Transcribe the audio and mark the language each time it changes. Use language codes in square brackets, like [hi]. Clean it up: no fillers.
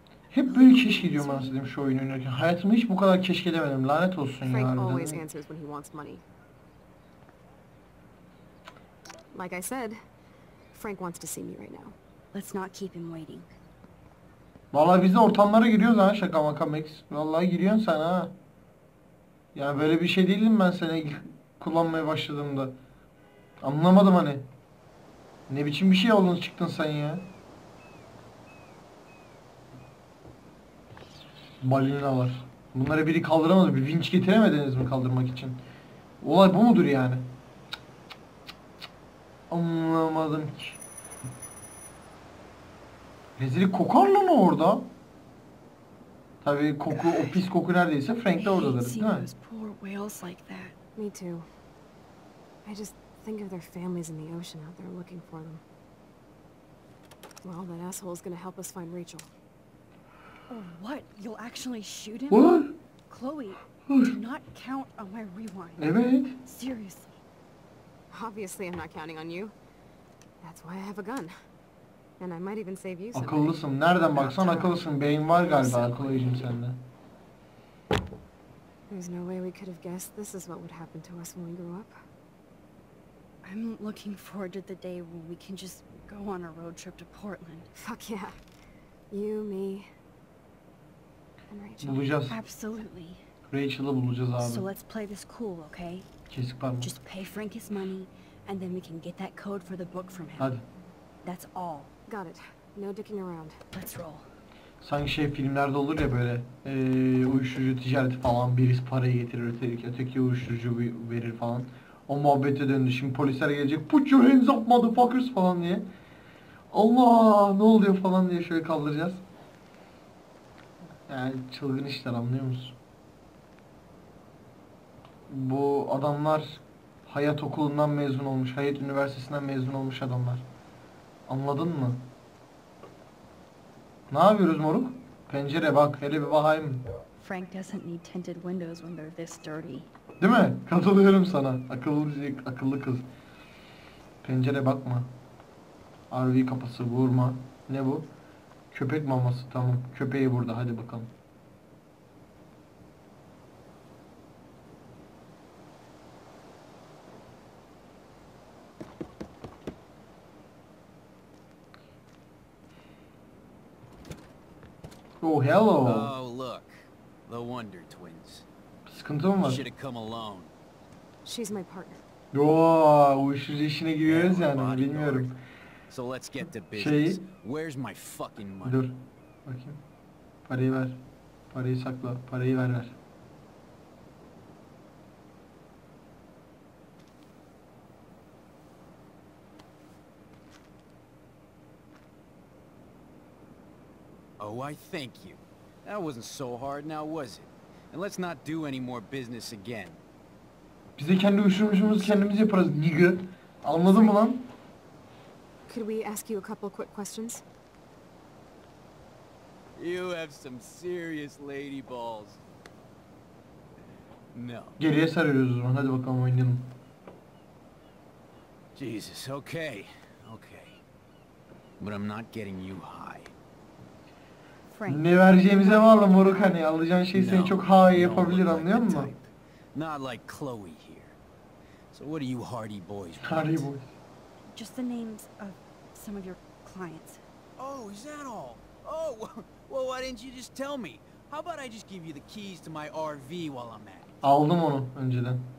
[tr] Hep böyle keşke diyorum ben size şu oyunu oynarken. Hayatımda hiç bu kadar keşke demedim lanet olsun ya. [en] Frank always answers when he wants money. Like I said, Frank wants to see me right now. Let's not keep him waiting. [tr] Vallahi biz de ortamlara giriyoruz ha şaka maka Max. Vallahi giriyorsun sen ha. Ya böyle bir şey değildim ben seni kullanmaya başladığımda. Anlamadım hani. Ne biçim bir şey oldun çıktın sen ya. Balina var. Bunları biri kaldıramaz mı? Bir vinç getiremediniz mi kaldırmak için? Olay bu mudur yani? Anlamadım ki. Rezilik kokar lan o orada. Tabii koku, o pis koku neredeyse Frank de oradadır, değil mi? [en] Whales like that. Me too. I just think of their families in the ocean out there looking for them. Well, that asshole is gonna help us find Rachel. Oh, what? You'll actually shoot him? What? Chloe, do not count on my rewind. [tr] Evet. [en] Seriously. Obviously, I'm not counting on you. That's why I have a gun. And I might even save you. [tr] Akıllısın. Nereden baksan akıllısın. Beyin var galiba. Akıllıcım sende. [en] There's no way we could have guessed this is what would happen to us when we grew up. I'm looking forward to the day when we can just go on a road trip to Portland. Fuck yeah. You, me, and Rachel. [tr] Bulacağız. [en] Absolutely. [tr] Rachel'ı bulacağız abi. [en] So let's play this cool, okay? [tr] Kesik pardon. [en] Just pay Frank his money, and then we can get that code for the book from him. [tr] Hadi. [en] That's all. Got it. No dicking around. Let's roll. [tr] Sanki şey filmlerde olur ya böyle uyuşturucu ticareti falan, birisi parayı getirir öteki, öteki uyuşturucu verir falan. O muhabbete döndü. Şimdi polisler gelecek. [en] Put your hands up motherfuckers [tr] falan diye. Allah ne oluyor falan diye şöyle kaldıracağız. Yani çılgın işler, anlıyor musun? Bu adamlar hayat okulundan mezun olmuş, hayat üniversitesinden mezun olmuş adamlar. Anladın mı? Ne yapıyoruz moruk? Pencere bak, hele bir bakayım. [en] Frank doesn't need tinted windows when they're this dirty. [tr] Değil mi? Katılıyorum sana. Akıllı, akıllı kız. Pencere bakma. RV kapısı vurma. Ne bu? Köpek maması, tamam. Köpeği burada, hadi bakalım. [en] Oh, hello. Oh, look. The Wonder Twins. [tr] Sıkıntı mı var? [en] Should have come alone. She's my partner. [tr] Oh, uyuşturucu işine giriyoruz yani, bilmiyorum. [en] So let's get to business. Where's my fucking money? [tr] Dur. Bakayım. Parayı ver. Parayı sakla. Parayı ver ver. [en] Oh, I thank you. That wasn't so hard now, was it? And let's not do any more business again. [tr] Bize kendi uyuşturucumuzu kendimiz yaparız, nigga. Anladın mı lan? [en] Could we ask you a couple quick questions? You have some serious lady balls. No. [tr] Geriye sarıyoruz o zaman. Hadi bakalım, oynayalım. [en] Jesus, okay. Okay. But I'm not getting you high. [tr] Ne vereceğimize bağlı moruk, hani alacağın şey seni çok high yapabilir, anlıyor musun? [en] Not like Chloe here. So what are you hardy boys? Hardy boys. Just the names of some of your clients. Oh, is that all? Oh, well, why didn't you just tell me? How about I just give you the keys to my RV while I'm at it? [tr] Aldım onu önceden.